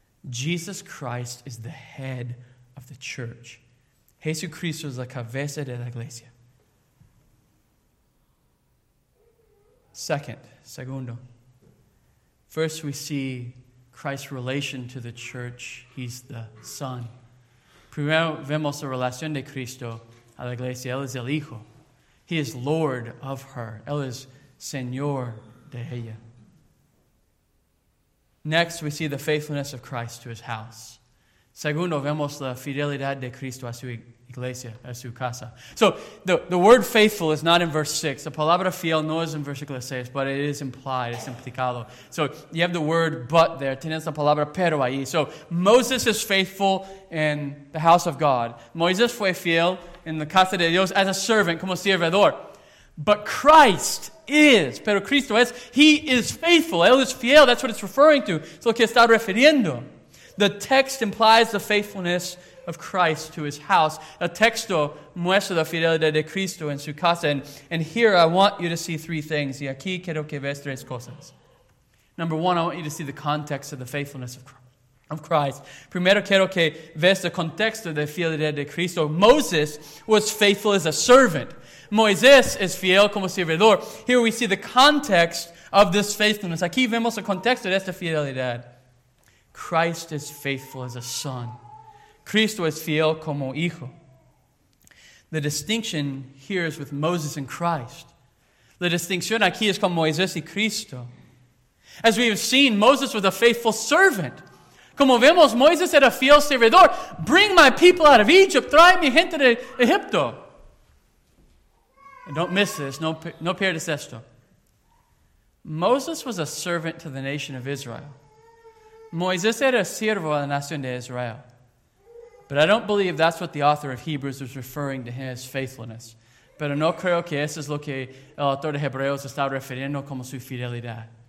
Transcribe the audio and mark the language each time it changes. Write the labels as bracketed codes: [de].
[en] Jesus Christ is the head of the church. [es] Jesucristo es la cabeza de la iglesia. Segundo. [en] First we see Christ's relation to the church. He's the Son. [es] Primero vemos la relación de Cristo a la iglesia. Él es el Hijo. [en] He is Lord of her. [es] Él es Señor de ella. [en] Next, we see the faithfulness of Christ to his house. [es] Segundo, vemos la fidelidad de Cristo a su iglesia, a su casa. [en] So, the word faithful is not in verse 6. The [es] palabra fiel no es en versículo 6, [en] but it is implied, it's [es] implicado. [en] So, you have the word but there. [es] Tienes la palabra pero ahí. [en] So, Moses is faithful in the house of God. [es] Moisés fue fiel en la casa de Dios [en] as a servant, [es] como servidor. [en] But Christ is, [es] pero Cristo es, [en] he is faithful. [es] Él es fiel, [en] that's what it's referring to. [es] Es lo que está refiriendo. [en] The text implies the faithfulness of Christ to his house. [es] El texto muestra la fidelidad de Cristo en su casa. [en] And here I want you to see three things. [es] Y aquí quiero que veas tres cosas. [en] Number one, I want you to see the context of the faithfulness of Christ. [es] Primero quiero que veas el contexto de fidelidad de Cristo. [en] Moses was faithful as a servant. [es] Moisés es fiel como servidor. [en] Here we see the context of this faithfulness. [es] Aquí vemos el contexto de esta fidelidad. [en] Christ is faithful as a son. [es] Cristo es fiel como hijo. [en] The distinction here is with Moses and Christ. [es] La distinción aquí es con Moisés y Cristo. [en] As we have seen, Moses was a faithful servant. [es] Como vemos, Moisés era fiel servidor. [en] Bring my people out of Egypt. [es] Trae mi gente de Egipto. [en] Don't miss this. [es] No pierdes esto. [en] Moses was a servant to the nation of Israel. [es] Moisés era siervo a la nación de Israel. [en] But I don't believe that's what the author of Hebrews was referring to his faithfulness. [es] Pero no creo que eso es lo que el autor de Hebreos está refiriendo como su fidelidad.